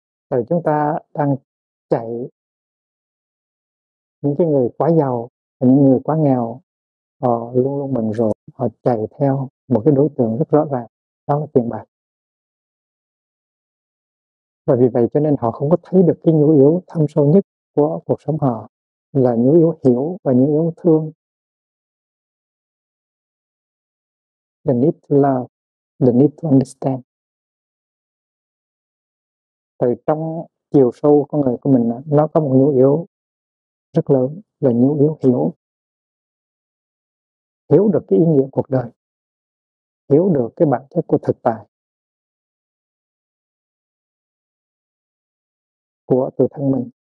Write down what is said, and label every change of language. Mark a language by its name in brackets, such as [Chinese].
[Vietnamese] Rồi chúng ta đang chạy những cái người quá giàu, những người quá nghèo, họ luôn luôn mừng rồi, họ chạy theo một cái đối tượng rất rõ ràng, đó là tiền bạc. Và vì vậy cho nên họ không có thấy được cái nhu yếu thâm sâu nhất của cuộc sống họ, là nhu yếu hiểu và nhu yếu thương. [English] The need to love, the need to understand. [Vietnamese] Từ trong chiều sâu con người của mình, nó có một nhu yếu rất lớn là nhu yếu hiểu. Hiểu được cái ý nghĩa cuộc đời, hiểu được cái bản chất của thực tại, của tự thân mình.